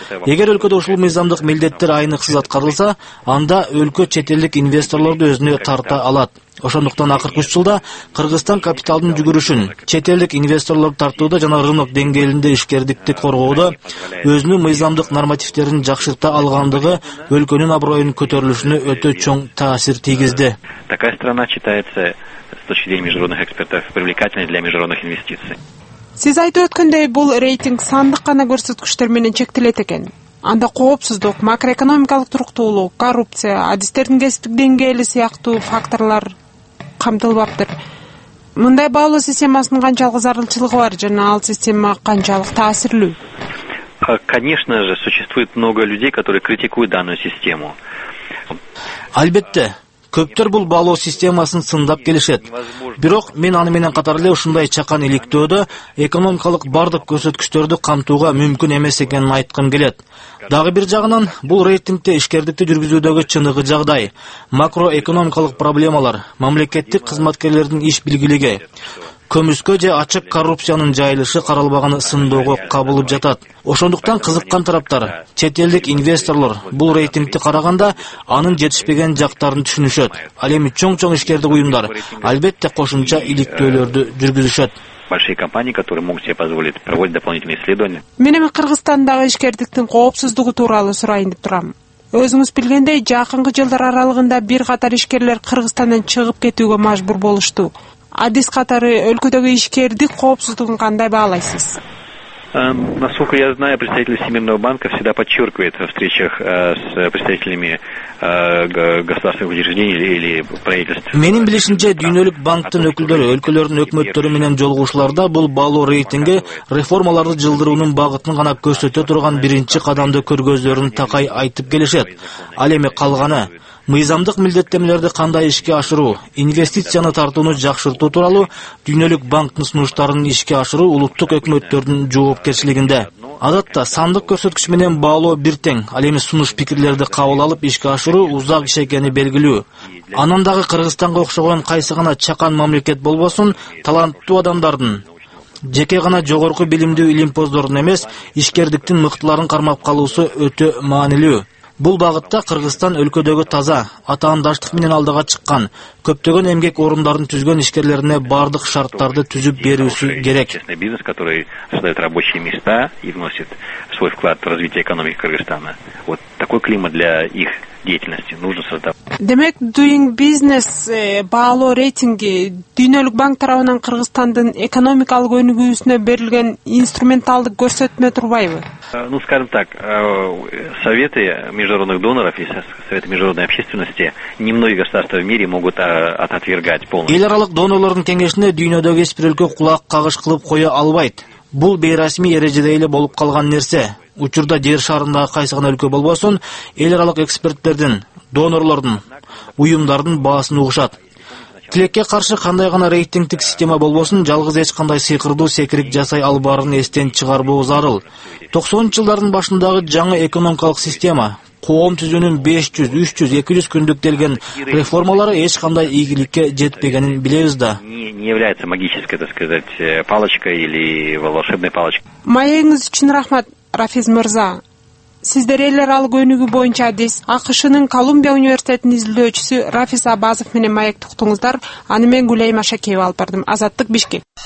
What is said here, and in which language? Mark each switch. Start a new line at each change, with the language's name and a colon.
Kyrgyz: Эгер өлкөдө ушул мыйзамдык милдеттер айныксыз аткарылса, анда өлкө чет элдик инвесторлорду өзүнө тарта алат. Ошондуктан акыркы 3 жылда Кыргызстан капиталдын жүгүрүшүн, чет элдик инвесторлорду тартууда жана рынок деңгээлинде ишкердикти коргоодо өзүнүн мыйзамдык нормативдерин жакшырта алгандыгы өлкөнүн аброюнун көтөрүлүшүнө өтө чоң таасир тийгизди.
Russian: Такая страна считается с точки зрения международных экспертов привлекательной для международных инвестиций.
Kyrgyz: Сиз айтып өткөндөй, бул рейтинг сандык гана көрсөткүчтөр менен чектелет экен. Анда коопсуздук, макроэкономикалык туруктуулук, коррупция, адистердин кесиптик деңгээли сыяктуу факторлор камтылбаптыр. Мындай баалоо системасынын канчалык зарылчылыгы бар жана ал система канчалык таасирлүү?
Russian: Конечно же, существует много людей, которые критикуют данную систему.
Kyrgyz: Албетте, көптөр бул баалоо системасын сындап келишет. Бирок мен аны менен катар эле ушундай чакан иликтөөдө экономикалык бардык көрсөткүчтөрдү камтууга мүмкүн эмес экенин айткым келет. Дагы бир жагынан бул рейтингте ишкердикти жүргүзүүдөгү чыныгы жагдай, макроэкономикалык проблемалар, мамлекеттик кызматкерлердин иш билгилиги, көмүскө же ачык коррупциянын жайылышы каралбаганы сындоого кабылып жатат. Ошондуктан кызыккан тараптар, чет элдик инвесторлор бул рейтингти караганда анын жетишпеген жактарын түшүнүшөт. Ал эми чоң-чоң ишкердик уюмдар албетте кошумча иликтөөлөрдү жүргүзүшөт.
Russian: Большие компании, которые могут себе позволить проводить дополнительные исследования.
Kyrgyz: Мен эми Кыргызстандагы ишкердиктин коопсуздугу тууралуу сурайын деп турам. Өзүңүз билгендей, жакынкы жылдар аралыгында бир катар ишкерлер Кыргызстандан чыгып кетүүгө мажбур болушту. Адис катары өлкөдөгү ишкердик коопсуздугун кандай баалайсыз?
Russian: Насколько я знаю, представитель Всемирного банка всегда подчеркивает во встречах с представителями государственных учреждений или правительств.
Kyrgyz: Менин билишинче дүйнөлүк банктын өкүлдөрү өлкөлөрдүн өкмөттөрү менен жолугушууларда бул баалоо рейтинги реформаларды жылдыруунун багытын гана көрсөтө турган биринчи кадамды көргөздөрүн такай айтып келишет. Ал эми калганы мыйзамдык милдеттемелерди кандай ишке ашыруу, инвестицияны тартууну жакшыртуу тууралуу дүйнөлүк банктын сунуштарын ишке ашыруу улуттук өкмөттөрдүн жоопкерчилигинде. Адатта сандык көрсөткүч менен баалоо бир тең, ал эми сунуш пикирлерди кабыл алып ишке ашыруу узак иш экени белгилүү. Анан дагы Кыргызстанга окшогон кайсы гана чакан мамлекет болбосун, таланттуу адамдардын жеке гана жогорку билимдүү илимпоздордун эмес, ишкердиктин мыктыларын кармап калуусу өтө маанилүү. Бул багытта Кыргызстан өлкөдөгү таза, атаандаштык менен алдыга чыккан, көптөгөн эмгек орундарын түзгөн ишкерлерине бардык шарттарды түзүп берүүсү керек.
Russian: Бизнес, который создает рабочие места и вносит свой вклад в развитие экономики Кыргызстана. Вот такой климат для их деятельности нужно создать.
Kyrgyz: Демек, Doing Business баалоо рейтинги дүйнөлүк банк тарабынан Кыргызстандын экономикалык өнүгүүсүнө берилген инструменталдык көрсөтмө турбайбы?
Russian: Ну, скажем так, советы международных доноров и советы международной общественности немногие государства в мире могут отвергать полностью.
Kyrgyz: Эл аралык донорлордун кеңешине дүйнөдөгү эч бир өлкө кулак кагыш кылып кое албайт. Бул бейрасмий эрежеде эле болуп калган нерсе. Учурда жер шарындагы кайсы гана өлкө болбосун, эл аралык эксперттердин, донорлордун, уюмдардын баасын угушат. Тилекке каршы кандай гана рейтингдик система болбосун, жалгыз эч кандай сыйкырдуу секирик жасай албарын эстен чыгарбоо зарыл. 90-чу жылдардын башындагы жаңы экономикалык система, коом түзүүнүн 500, 300, 200 күндүк делген реформалары эч кандай ийгиликке жетпегенин билебиз да.
Russian: Не является магической, так сказать, палочкой или волшебной палочкой.
Kyrgyz: Маегиңиз үчүн рахмат, Рафиз Мырза. Сиздер эл аралык өнүгүү боюнча адис АКШнын Колумбия университетинин изилдөөчүсү Рафиз Абазов менен маекти уктуңуздар. Аны мен Гүлайма Шакеева алып бардым. Азаттык Бишкек.